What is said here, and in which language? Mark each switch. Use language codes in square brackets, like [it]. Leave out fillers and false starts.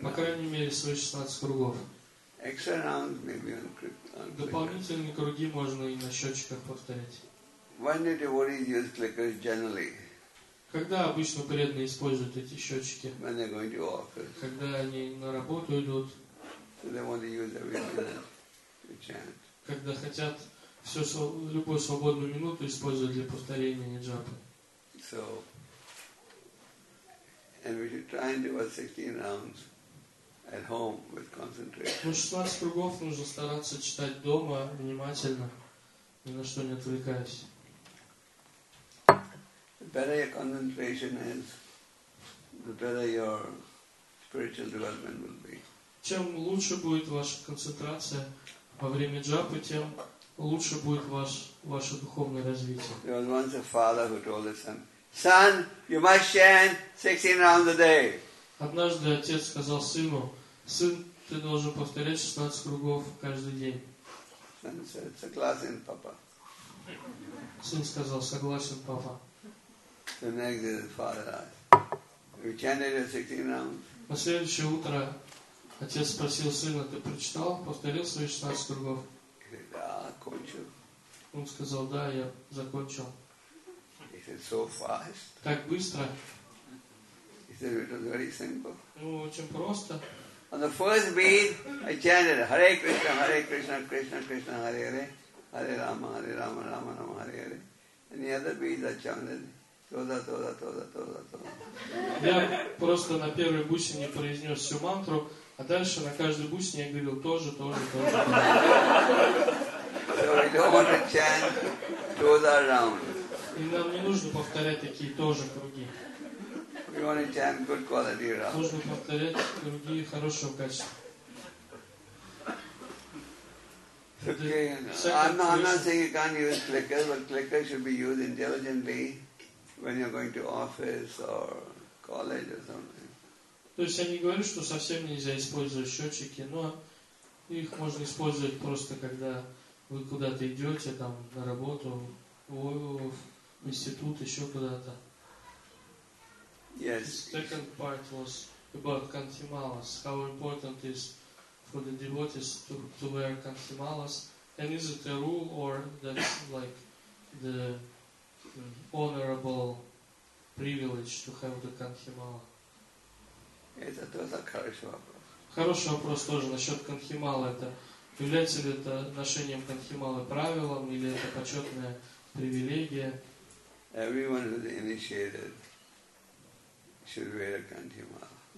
[ru] По крайней мере, свои 16 кругов. [en] Extra rounds maybe on clickers. [ru] Дополнительные круги можно и на счетчиках повторять. [en] When the devotees use clickers generally? [ru] Когда обычно преданные используют эти счетчики? [en] When they're going to office. [ru] Когда они на работу идут? [en] So they want to use every minute to chant. [ru] Когда хотят все любую свободную минуту использовать для повторения ниджапы. [en] So, and we should try and do about 16 rounds at home with concentration. [ru] Ну, 16 кругов нужно стараться читать дома внимательно, ни на что не отвлекаясь. [en] The better your concentration is, the better your spiritual development will be. [ru] Чем лучше будет ваша концентрация во время джапы, тем лучше будет ваше духовное развитие. [en] There was once a father who told his son, "Son, you must chant 16 rounds a day." [ru] Однажды отец сказал сыну: "Сын, ты должен повторять 16 кругов каждый день." [en] Son said, [ru] "Согласен, папа." Сын сказал: "Согласен, папа." [en] The next day, the father asked, "We chanted 16 rounds." [ru] На следующее утро отец спросил сына: "Ты прочитал, повторил свои 16 кругов?" "Да, кончил." Он сказал: "Да, я закончил." [en] He said, "So fast." [ru] "Так быстро." [en] He said, "It was very simple." [ru] "Ну, очень просто." [en] On the first beat, I chanted, "Hare Krishna, Hare Krishna, Krishna Krishna, Hare Hare, Hare Rama, Rama Rama, Hare Hare." And the other beats I chanted, "Toda, toda, toda, toda, toda." [ru] Я просто на первой бусине произнес всю мантру. А дальше на каждой бусине я говорил тоже, тоже, тоже. [en] So we don't want to chant toda round. [ru] И нам не нужно повторять такие тоже круги. [en] We want to chant good quality round. [ru] Нужно повторять круги хорошего качества. [en] Okay, no. I'm not saying you can't use clickers, but clickers should be used intelligently when you're going to office or college or something. [ru] То есть я не говорю, что совсем нельзя использовать счетчики, но их можно использовать просто, когда вы куда-то идете, там, на работу, в институт, еще куда-то. [en] Yes. The second part was about kantimalas. How important is for the devotees to wear kantimalas? And is it a rule or that's like the honorable privilege to have the kantimala? [ru] Это тоже хороший вопрос. Хороший вопрос тоже насчет канхимала. Это является ли это ношением канхималы правилом или это почетная привилегия? [en] Everyone who's initiated should wear a канхимала.